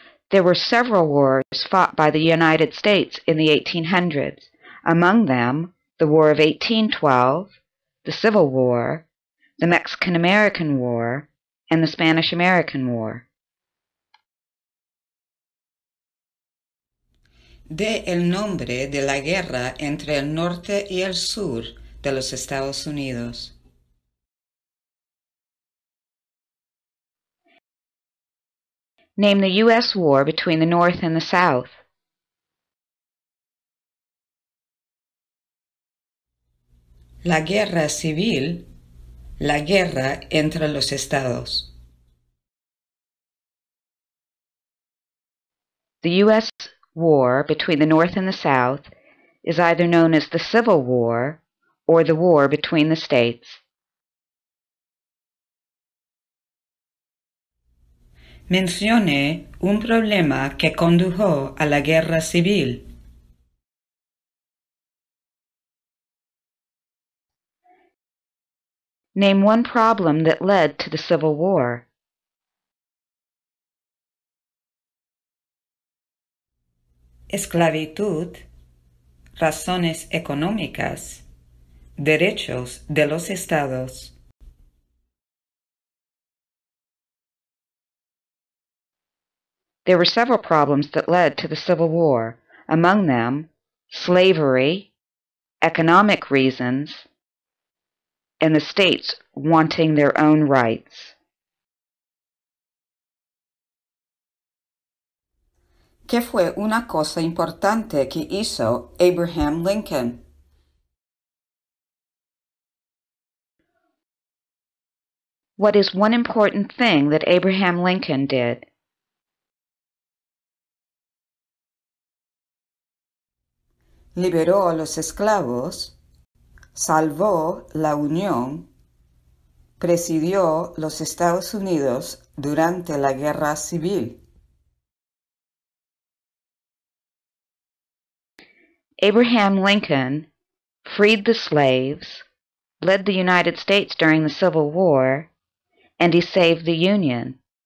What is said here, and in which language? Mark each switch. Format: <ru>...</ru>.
<en>There were several wars fought by the United States in the 1800s, among them the War of 1812, the Civil War, the Mexican-American War, and the Spanish-American War.</en> <es>De el nombre de la guerra entre el norte y el sur de los Estados Unidos.</es> <en>Name the U.S. war between the North and the South.</en> <es>La guerra civil, la guerra entre los estados.</es> <en>The U.S. war between the North and the South is either known as the Civil War or the War between the States.</en> <es>Mencione un problema que condujo a la guerra civil.</es> <en>Name one problem that led to the Civil War.</en> <es>Esclavitud, razones económicas, derechos de los estados.</es> <en>There were several problems that led to the Civil War, among them slavery, economic reasons, and the states wanting their own rights.</en> <es>¿Qué fue una cosa importante que hizo Abraham Lincoln?</es> <en>What is one important thing that Abraham Lincoln did?</en> <es>Liberó a los esclavos, salvó la Unión, presidió los Estados Unidos durante la Guerra Civil.</es> <en>Abraham Lincoln freed the slaves, led the United States during the Civil War, and he saved the Union.</en>